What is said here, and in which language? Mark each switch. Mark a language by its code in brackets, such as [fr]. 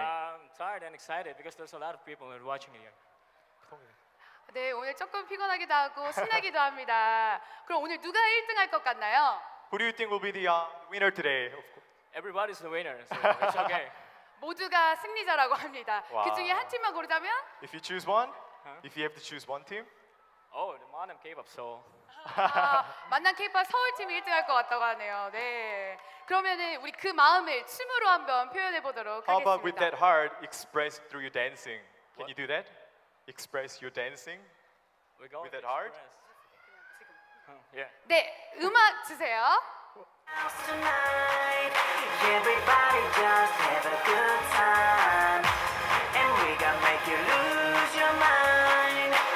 [en] I'm tired and excited because there's a lot of people watching here. [ko] 네, 오늘 조금 피곤하기도 하고 신나기도 합니다. 그럼 오늘 누가 1등 할 것 같나요? [en] Who do you think will be the winner today? Everybody's the winner, so it's okay. [ko] 모두가 승리자라고 합니다. 그 중에 한 팀만 고르자면? [en] If you choose one, if you have to choose one team. Oh, the Mannam Kpop Seoul. [ko] 만남 K-pop 서울 팀이 1등할 것 같다고 하네요. 네. 그러면은 우리 그 마음을 춤으로 한번 표현해 보도록 하겠습니다. [en] How about with that heart express through your dancing? Can what? You do that? Express your dancing with that express. Heart? [ko] Yeah. 네, 음악 주세요. [en] Tonight, everybody just have a good time, and we gonna make you lose your mind.